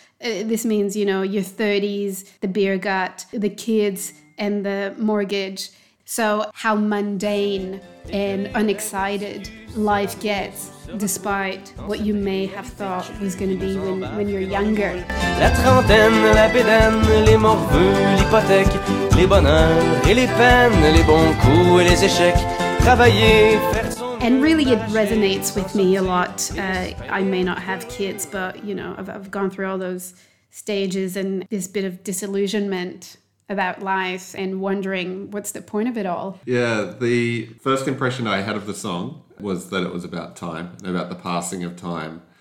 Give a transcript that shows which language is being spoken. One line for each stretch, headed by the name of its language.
English: This means, you know, your 30s, the beer gut, the kids and the mortgage. So how mundane and unexcited life gets despite what you may have thought was going to be when you're younger.
French: La trentaine, la bédaine, les morveux, l'hypothèque, les bonheurs et les peines, les bons coups et les échecs, travailler, faire.
English: And really, it resonates with me a lot. I may not have kids, but, you know, I've gone through all those stages and this bit of disillusionment about life and wondering what's the point of it all. Yeah, the first impression I had of the song was that it was about time and about the passing of time.